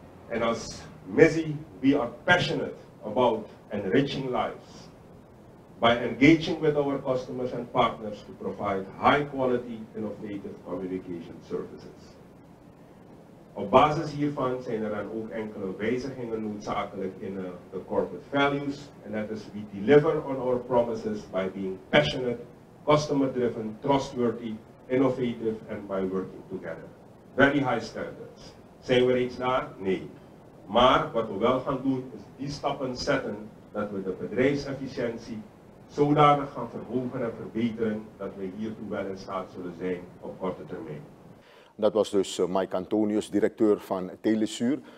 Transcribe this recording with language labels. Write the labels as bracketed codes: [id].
[en] And as MESI, we are passionate about enriching lives by engaging with our customers and partners to provide high quality innovative communication services. [nl] Op basis hiervan zijn er dan ook enkele wijzigingen noodzakelijk in de corporate values. En dat is: [en] we deliver on our promises by being passionate, customer driven, trustworthy, innovative and by working together. Very high standards. [nl] Zijn we reeds daar? Nee. Maar wat we wel gaan doen is die stappen zetten dat we de bedrijfsefficiëntie zodanig gaan verhogen en verbeteren dat we hiertoe wel in staat zullen zijn op korte termijn. Dat was dus Mike Antonius, directeur van Telesuur.